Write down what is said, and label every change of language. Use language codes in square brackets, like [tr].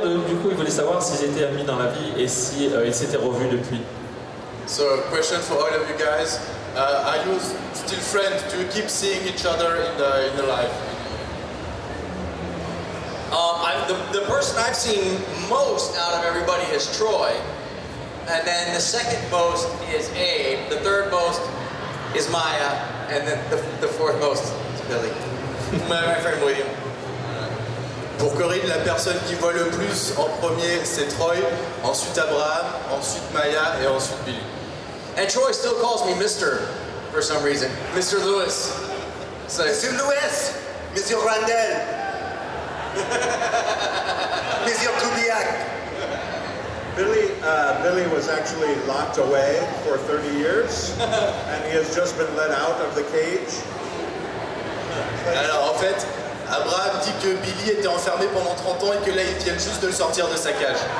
[fr] Du coup, il voulait savoir s'ils étaient amis dans la vie et si ils s'étaient revus depuis. [en] So, question for all of you guys. Are you still friends? Do you keep seeing each other in the life? The person I've seen most out of everybody is Troy, and then the second most is Abe, the third most is Maia, and then the fourth most is Billy. My friend William. [fr] Pour Corin, la personne qui voit le plus en premier, c'est Troy, ensuite Abraham, ensuite Maia, et ensuite Billy. [en] And Troy still calls me Mr. for some reason. Mr. Lewis. [fr] So, Monsieur Lewis! Monsieur Randall! Monsieur Kubiak! [en] Billy was actually locked away for 30 years, and he has just been let out of the cage. [fr] Alors, en fait, Abraham dit que Billy était enfermé pendant 30 ans et que là, ils viennent juste de le sortir de sa cage.